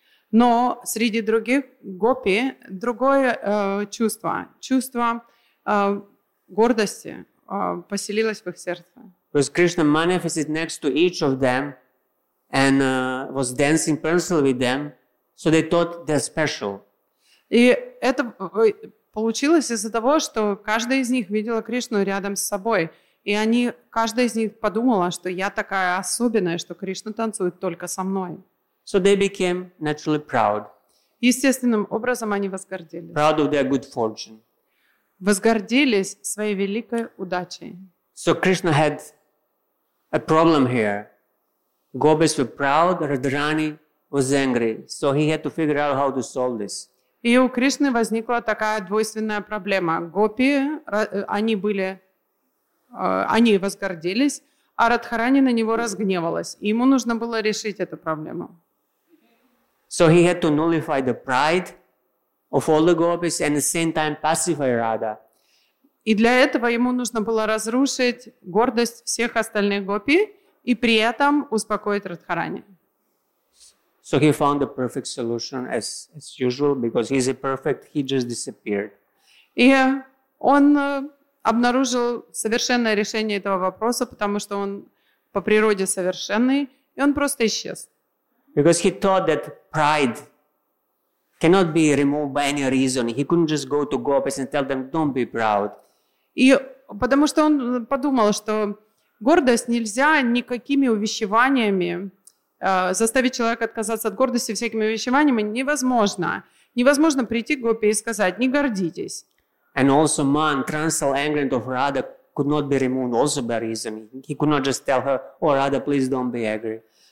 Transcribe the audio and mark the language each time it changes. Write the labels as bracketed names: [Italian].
[Russian] Но среди других гопи другое чувство, чувство гордости поселилось в их сердце. [English] Because Krishna manifested next to each of them and was dancing personally with them, so they thought they're special. [Russian] И это получилось из-за того, что каждая из них видела Кришну рядом с собой, и они каждая из них подумала, что я такая особенная, что Кришна танцует только со мной. [English] So they became naturally proud. [Russian] Естественным образом они возгордились. [English] Proud of their good fortune. [Russian] Возгордились своей великой удачей. [English] So Krishna had a problem here. gopis were proud, Radharani was angry. So he had to figure out how to solve this. [Russian] И у Кришны возникла такая двойственная проблема. Гопи, они были, они возгордились, а Радхарани на него разгневалась. И ему нужно было решить эту проблему. [English] So he had to nullify the pride of all the gopis and at the same time pacify Radha. [Russian] И для этого ему нужно было разрушить гордость всех остальных гопи и при этом успокоить Радхарани. [English] So he found the perfect solution as usual because he's a perfect, he just disappeared. [Russian] И он обнаружил совершенное решение этого вопроса, потому что он по природе совершенный, и он просто исчез. [English] Because he thought that pride cannot be removed by any reason. He couldn't just go to gopis and tell them, don't be proud. [Russian] И потому что он подумал, что гордость нельзя никакими увещеваниями заставить человека отказаться от гордости всякими увещеваниями невозможно. Невозможно прийти к гопи и сказать, не гордитесь. [English] And also man, transcendental anger of Radha could not be removed also by reason. He could not just tell her, oh, Radha, please don't be angry.